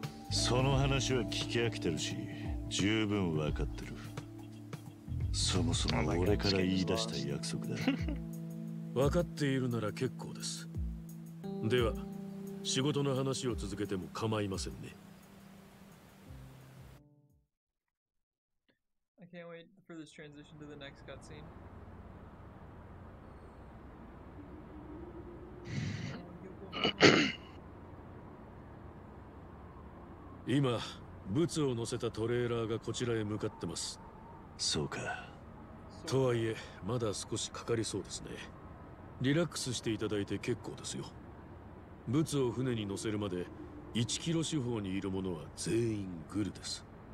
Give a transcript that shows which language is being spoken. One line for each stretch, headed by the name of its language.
Japanese: その話は聞き飽きてるし、十分わかってる。そもそも俺から言い出した約束だ。分かっているなら結構です。では仕事の話を続けても構いませんね。
English: I can't wait for this transition to the next cutscene.
Japanese: 今、物を乗せたトレーラーがこちらへ向かってます。そうか。とはいえ、まだ少しかかりそうですね。リラックスしていただいて結構ですよ。物を船に乗せるまで1キロ四方にいる者は全員グルです。